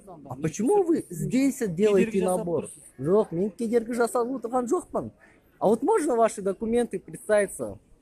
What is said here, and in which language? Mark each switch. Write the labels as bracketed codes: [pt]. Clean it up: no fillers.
[ru] А почему вы здесь делаете набор? [kk] Жоқ, мен кедергі жасап отырған жоқпын. [ru] А вот можно ваши документы представиться?